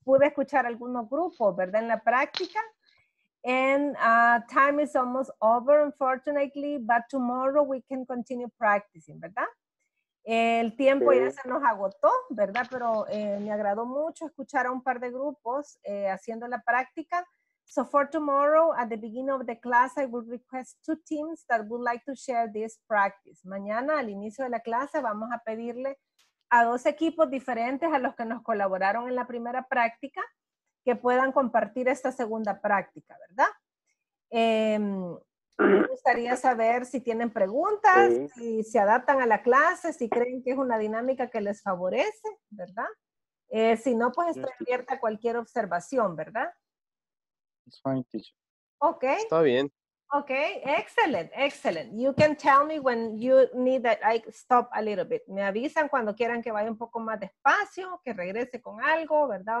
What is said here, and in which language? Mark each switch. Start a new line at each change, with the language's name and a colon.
Spanish: Pude escuchar algunos grupos, ¿verdad? En la práctica.
English: And time is almost over, unfortunately, but tomorrow we can continue practicing, ¿verdad?
Spanish: El tiempo ya se nos agotó, ¿verdad? Pero me agradó mucho escuchar a un par de grupos haciendo la práctica.
English: So for tomorrow, at the beginning of the class, I will request two teams that would like to share this practice.
Spanish: Mañana, al inicio de la clase, vamos a pedirle a dos equipos diferentes a los que nos colaboraron en la primera práctica que puedan compartir esta segunda práctica, ¿verdad? Me gustaría saber si tienen preguntas, si se adaptan a la clase, si creen que es una dinámica que les favorece, ¿verdad? Si no, pues estoy abierta a cualquier observación, ¿verdad?
English: It's fine, teacher. Ok.
Spanish: Está bien. Ok, excelente, excelente.
English: You can tell me when you need that I stop a little bit.
Spanish: Me avisan cuando quieran que vaya un poco más despacio, que regrese con algo, ¿verdad?